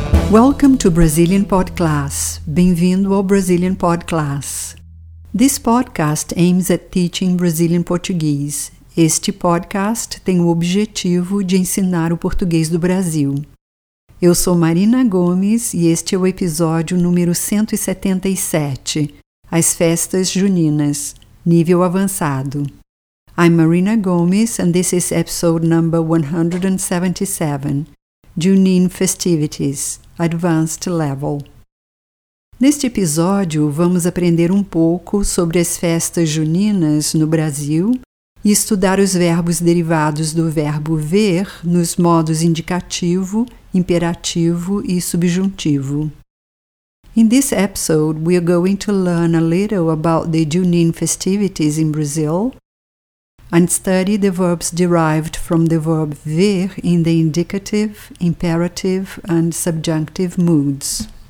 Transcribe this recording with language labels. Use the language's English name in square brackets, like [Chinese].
[English] Welcome to Brazilian Podclass. [Portuguese] Bem-vindo ao Brazilian Podclass. [English] This podcast aims at teaching Brazilian Portuguese. [Portuguese] Este podcast tem o objetivo de ensinar o português do Brasil. Eu sou Marina Gomes e este é o episódio número 177, As Festas Juninas, Nível Avançado. [English] I'm Marina Gomes and this is episode number 177, Junin Festivities, Advanced Level. [Portuguese] Neste episódio, vamos aprender um pouco sobre as festas juninas no Brasil e estudar os verbos derivados do verbo ver nos modos indicativo, imperativo e subjuntivo. [English] In this episode, we are going to learn a little about the Junin festivities in Brazil and study the verbs derived from the verb ver in the indicative, imperative and subjunctive moods.